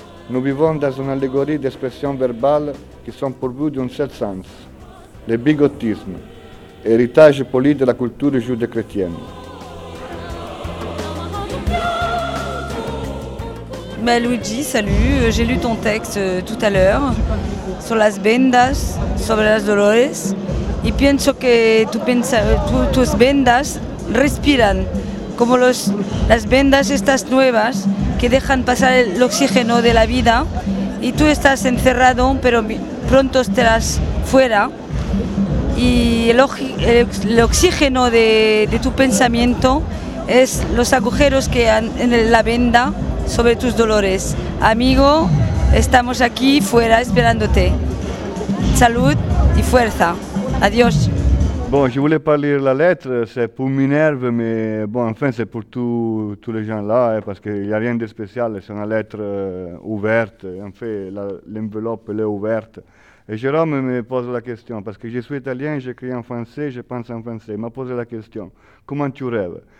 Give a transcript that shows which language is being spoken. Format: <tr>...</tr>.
<fr>Nous vivons dans une allégorie d'expressions verbales qui sont pourvues d'un seul sens, le bigotisme, héritage poli de la culture judéo-chrétienne. Mais Luigi, salut, j'ai lu ton texte tout à l'heure sur</fr> <es>las bendas, sobre las dolores. Y pienso que tu pensa, tu, tus bendas respiran, como los, las bendas estas nuevas que dejan pasar el oxígeno de la vida. Y tú estás encerrado, pero pronto estarás fuera. Y el oxígeno de tu pensamiento es los agujeros que hay en la venda sobre tus dolores. Amigo, estamos aquí fuera esperándote. Salud y fuerza. Adiós.</es> <fr>Bon, je voulais pas lire la lettre, c'est pour Minerve, mais bon, enfin, c'est pour tous les gens là, hein, parce qu'il n'y a rien de spécial, c'est une lettre ouverte, en fait, l'enveloppe est ouverte. Et Jérôme me pose la question, parce que je suis italien, j'écris en français, je pense en français, il m'a posé la question, comment tu rêves?</fr>